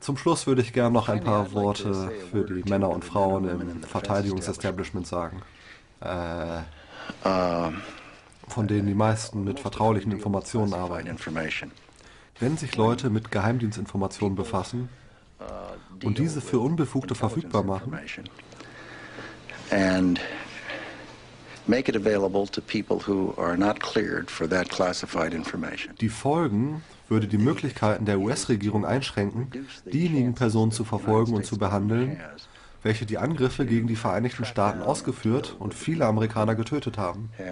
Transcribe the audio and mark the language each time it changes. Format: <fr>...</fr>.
<de>Zum Schluss würde ich gerne noch ein paar Worte für die Männer und Frauen im Verteidigungsestablishment sagen, von denen die meisten mit vertraulichen Informationen arbeiten. Wenn sich Leute mit Geheimdienstinformationen befassen und diese für Unbefugte verfügbar machen,</de> <en>and make it available to people who are not cleared for that classified information.</en> <de>Die Folgen würde die Möglichkeiten der US-Regierung einschränken, diejenigen Personen zu verfolgen und zu behandeln, welche die Angriffe gegen die Vereinigten Staaten ausgeführt und viele Amerikaner getötet haben.</de>